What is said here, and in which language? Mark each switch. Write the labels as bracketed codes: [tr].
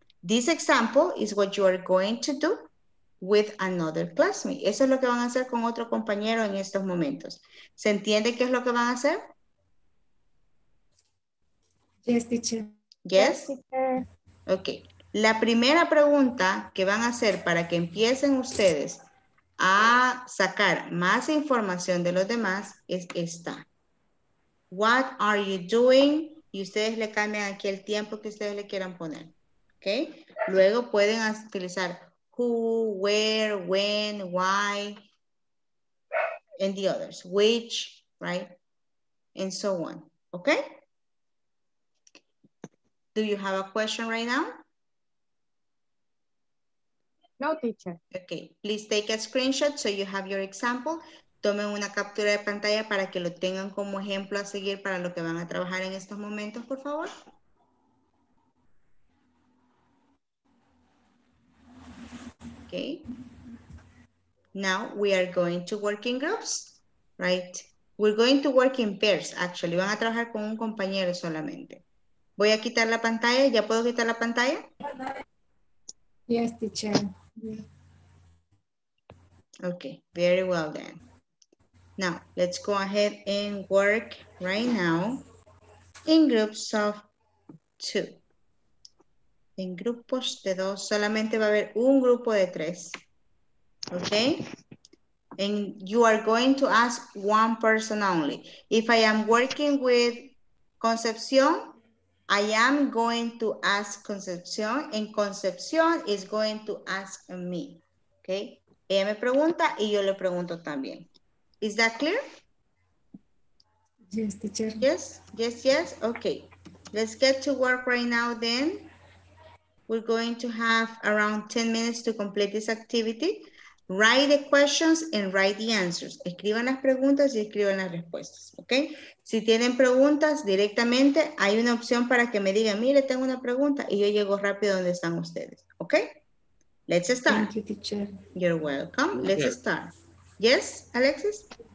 [en] This example is what you are going to do with another classmate. [es] Eso es lo que van a hacer con otro compañero en estos momentos. ¿Se entiende qué es lo que van a hacer? [en] Yes, teacher. Yes? Ok. [es] La primera pregunta que van a hacer para que empiecen ustedes a sacar más información de los demás es esta. [en] What are you doing? [es] Y ustedes le cambian aquí el tiempo que ustedes le quieran poner. Ok. Luego pueden utilizar [en] who, where, when, why, and the others. Which, right? And so on. Ok. Do you have a question right now? No, teacher. Okay, please take a screenshot so you have your example. [es] Tomen una captura de pantalla para que lo tengan como ejemplo a seguir para lo que van a trabajar en estos momentos, por favor. [en] Okay. Now we are going to work in groups, right? We're going to work in pairs, actually. [es] Van a trabajar con un compañero solamente. Voy a quitar la pantalla. ¿Ya puedo quitar la pantalla? [en] Yes, teacher. Okay, very well then. Now, let's go ahead and work right now in groups of two. [es] En grupos de dos, solamente va a haber un grupo de tres. [en] Okay? And you are going to ask one person only. If I am working with Concepción, I am going to ask Concepción, and Concepción is going to ask me, okay? [es] Ella me pregunta y yo le pregunto también. [en] Is that clear? Yes, teacher. Yes, yes, yes, okay. Let's get to work right now then. We're going to have around 10 minutes to complete this activity. Write the questions and write the answers. [es] Escriban las preguntas y escriban las respuestas, ¿ok? Si tienen preguntas directamente, hay una opción para que me digan, mire, tengo una pregunta, y yo llego rápido donde están ustedes, ¿ok? [en] Let's start. Thank you, teacher. You're welcome. Let's start. Yes, Alexis?